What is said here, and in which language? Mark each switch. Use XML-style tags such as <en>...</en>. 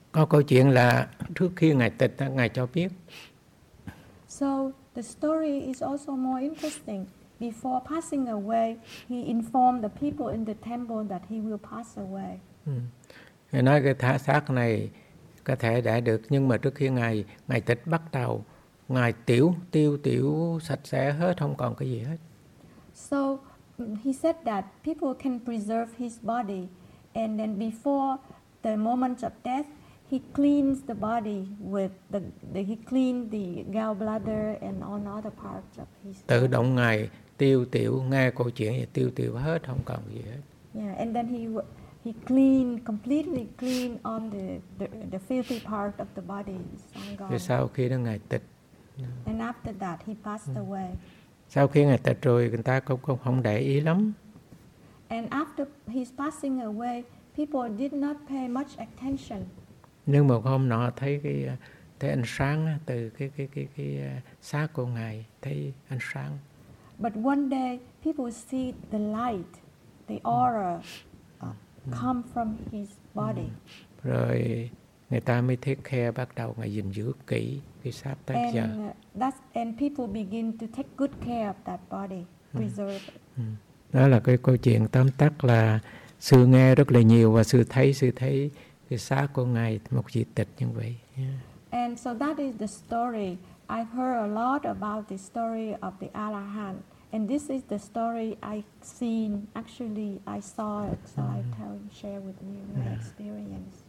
<vi>Có câu chuyện là trước khi ngài tịch ngài cho biết.</vi> <en>So the story is also more interesting. Before passing away, he informed the people in the temple that he will pass away.</en> <vi>Nói cái thả xác này có thể để được, nhưng mà trước khi ngài tịch bắt đầu, ngài tiêu sạch sẽ hết, không còn cái gì hết.</vi> <en>So he said that people can preserve his body, and then before the moment of death, he cleans the body with he cleans the gallbladder and all other parts of his.</en> <vi>Tự động ngài tiêu tiểu, nghe câu chuyện thì tiêu tiểu hết, không còn gì hết.</vi> <en>Yeah, and then he clean, completely clean on the filthy part of the body.</en> <vi>Thì sau khi đó ngài tịch.</vi> <en>And after that, he passed away.</en> <vi>Sau khi ngài tịch rồi, người ta cũng không để ý lắm.</vi> <en>And after his passing away, people did not pay much attention.</en> <vi>Nhưng một hôm nọ thấy ánh sáng từ cái xác của ngài, thấy ánh sáng.</vi> <en>But one day, people see the light, the aura come from his body.</en> <vi>Rồi người ta mới</vi> <en>take care,</en> <vi>bắt đầu ngài gìn giữ kỹ cái xác tới</vi> <en>and</en> <vi>giờ.</vi> <en>And people begin to take good care of that body, preserve it.</en> <vi>Đó là cái câu chuyện tóm tắt là sư nghe rất là nhiều và sư thấy cái xác của ngài một di tích như vậy.</vi> <en>Yeah. And so that is the story. I've heard a lot about the story of the Arahant, and this is the story I've seen. Actually, I saw it, so I tell you, share with you my experience.</en>